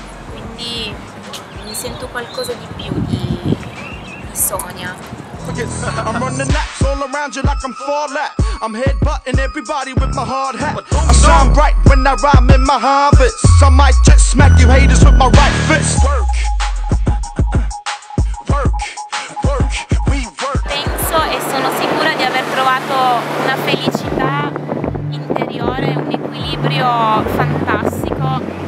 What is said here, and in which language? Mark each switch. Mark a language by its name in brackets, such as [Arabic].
[Italian] Quindi mi sento qualcosa di più di Sonia. [English] I'm running laps all around you like I'm four laps. I'm headbutting everybody with my hard hat. I shine bright when I rhyme in my harvest. I might just smack you haters with my right fist. Work, work, work, we work. [Italian] Penso e sono sicura di aver trovato una felicità interiore, un equilibrio fantastico.